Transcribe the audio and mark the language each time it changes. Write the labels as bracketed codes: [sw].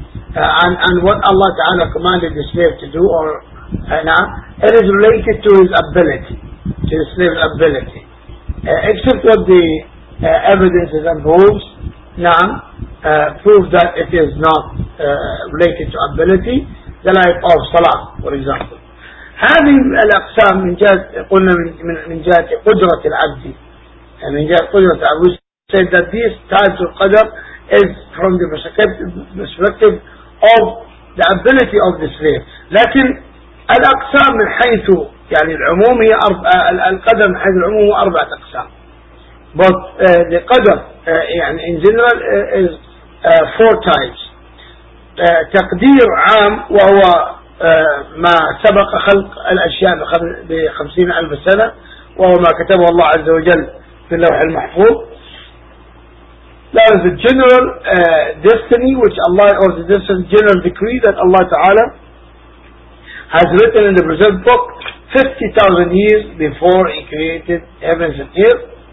[en] And what Allah Ta'ala commanded the slave to do or نعم it is related to his ability, to the slave's ability, except what the evidence is and proves نعم prove that it is not related to ability, the life of salah for example. [ar] هذه الأقسام من جهة قلنا من جهة قدرة العبد [en] من جهة قدرة العبد said that this ties to القدر is from the perspective of the ability of the slave. [ar] لكن الأقسام من حيث يعني العموم هي القدر من حيث العموم هو أربعة أقسام. [en] But the قدر يعني in general is four types. [ar] تقدير عام وهو ما سبق خلق الأشياء بخمسين ألف سنة وهو ما كتبه الله عز وجل في اللوح المحفوظ. [en] That is the general destiny which Allah, or the general decree that Allah Ta'ala has written in the preserved book 50,000 years before He created heavens and earth.